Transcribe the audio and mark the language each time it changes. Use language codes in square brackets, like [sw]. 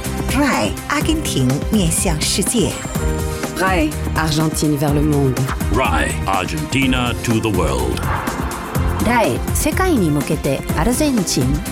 [zh] RAE, Argentina 面向世界。 [fr] RAE, Argentina vers le monde. [en] RAE, Argentina to the world. [ja] RAE, 世界に向けてアルゼンチン。